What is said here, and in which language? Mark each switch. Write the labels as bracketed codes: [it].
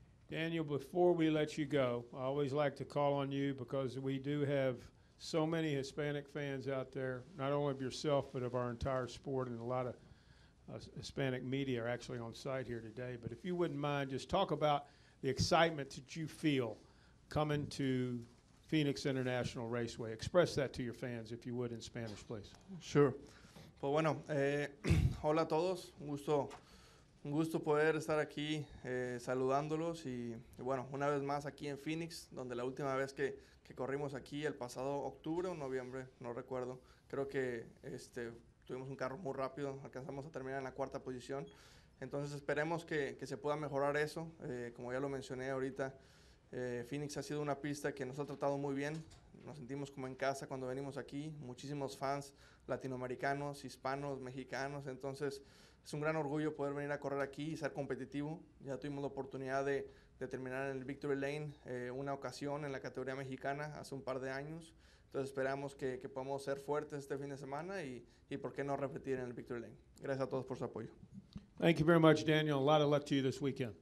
[en] Daniel, before we let you go, I always like to call on you, because we do have so many Hispanic fans out there, not only of yourself but of our entire sport, and a lot of Hispanic media are actually on site here today. But if you wouldn't mind, just talk about the excitement that you feel coming to Phoenix International Raceway. Express that to your fans, if you would, in Spanish, please. [es] Sure. Pues bueno, hola a todos. Un gusto poder estar aquí saludándolos y bueno, una vez más aquí en Phoenix, donde la última vez que corrimos aquí el pasado octubre o noviembre, no recuerdo, creo que tuvimos un carro muy rápido, alcanzamos a terminar en la cuarta posición. Entonces esperemos que se pueda mejorar eso. Como ya lo mencioné ahorita, Phoenix ha sido una pista que nos ha tratado muy bien, nos sentimos como en casa cuando venimos aquí, muchísimos fans latinoamericanos, hispanos, mexicanos. Entonces es un gran orgullo poder venir a correr aquí y ser competitivo. Ya tuvimos la oportunidad de, de terminar en el Victory Lane una ocasión en la categoría mexicana hace un par de años. Entonces esperamos que podamos ser fuertes este fin de semana y por qué no repetir en el Victory Lane. Gracias a todos por su apoyo. [en] Thank you very much, Daniel. A lot of luck to you this weekend.